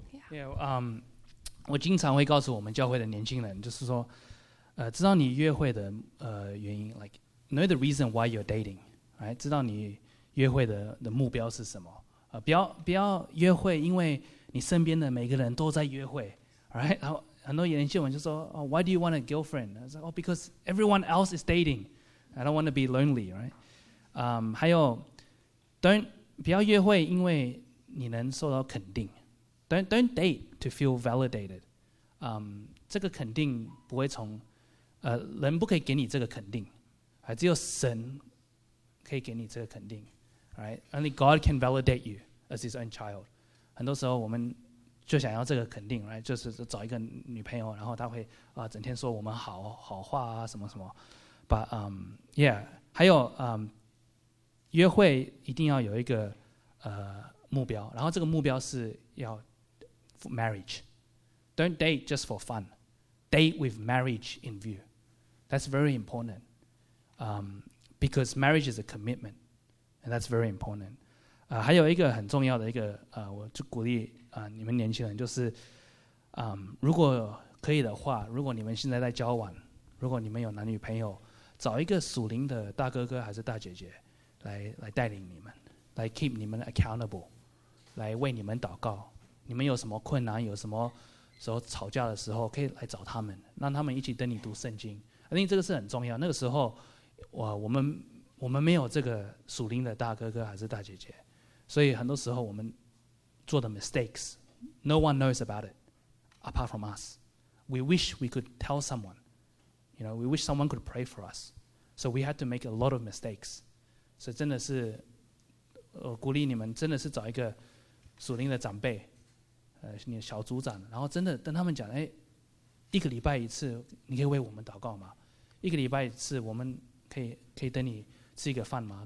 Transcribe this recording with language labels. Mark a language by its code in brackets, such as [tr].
[zh] Yeah. Yeah, 我经常会告诉我们教会的年轻人，就是说知道你约会的原因， [en] like know the reason why you're dating， right？ [zh] 知道你约会 的目标是什么，不要约会因为你身边的每个人都在约会， right？然后很多年轻人就说， [en] oh, why do you want a girlfriend？ I said, oh, because everyone else is datingI don't want to be lonely, right? [zh] 还有 不要约会因为你能受到肯定。 [en] Don't date to feel validated. [zh] 这个肯定不会从人不可以给你这个肯定。只有神可以给你这个肯定。 [en] Right? Only God can validate you as his own child. [zh] 很多时候我们就想要这个肯定， right? 就是找一个女朋友，然后她会整天说我们好话啊什么什么。 But yeah， 还有约会一定要有一个目标，然后这个目标是要 marriage。 [en] Don't date just for fun. Date with marriage in view. That's very important. Because marriage is a commitment, and that's very important. [zh] 还有一个很重要的一个我就鼓励你们年轻人，就是如果可以的话，如果你们现在在交往，如果你们有男女朋友，找一个属灵的大哥哥还是大姐姐来带领你们，来 keep 你们 accountable， 来为你们祷告。你们有什么困难，有什么时候吵架的时候，可以来找他们，让他们一起跟你读圣经。 [en] I think [zh] 这个是很重要。那个时候，我们没有这个属灵的大哥哥还是大姐姐，所以很多时候我们做的 mistakes， [en] no one knows about it apart from us. We wish we could tell someone. You know, we wish someone could pray for us. So we had to make a lot of mistakes. [zh] So 真的是我鼓励你们真的是找一个属灵的长辈你的小组长，然后真的跟他们讲，哎，一个礼拜一次你可以为我们祷告吗？一个礼拜一次我们可以等你吃一个饭吗？